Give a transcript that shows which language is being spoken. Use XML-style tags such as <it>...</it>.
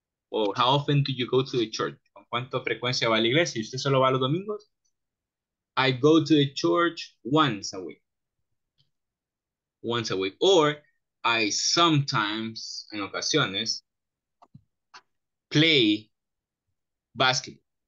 <en>O how often do you go to the church?</en> <es>¿Con cuánta frecuencia va a la iglesia? ¿Y usted solo va los domingos?</es> <en>I go to the church once a week. Once a week. Or I sometimes,</en> <es>en ocasiones,</es> <en>play basketball.</en>